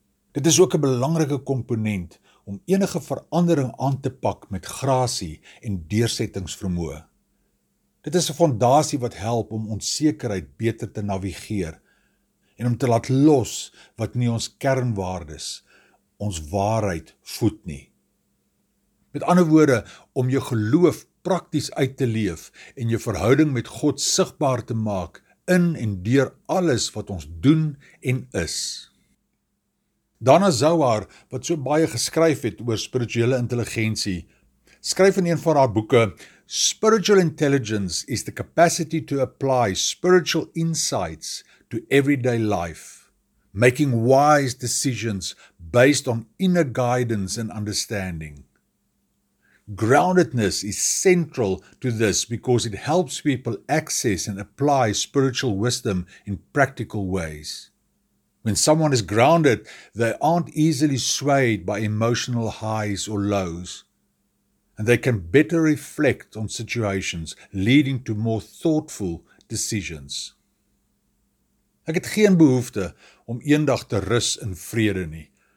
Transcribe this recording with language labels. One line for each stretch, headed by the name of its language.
Afrikaans: Dit is ook 'n belangrike komponent om enige verandering aan te pak met grasie en deursettingsvermoë. Dit is 'n fondasie wat help om onsekerheid beter te navigeer en om te laat los wat nie ons kernwaardes, ons waarheid voed nie. Met ander woorde, om jou geloof prakties uit te leef en jou verhouding met God sigbaar te maak in en deur alles wat ons doen en is. Dana Zohar, wat so baie geskryf het oor spirituele intelligensie, skryf in een van haar boeke,
English: "Spiritual intelligence is the capacity to apply spiritual insights to everyday life, making wise decisions based on inner guidance and understanding. Groundedness is central to this because it helps people access and apply spiritual wisdom in practical ways. When someone is grounded, they aren't easily swayed by emotional highs or lows, and they can better reflect on situations, leading to more thoughtful decisions."
Afrikaans: Ek het geen behoefte om eendag te rus in vrede nie.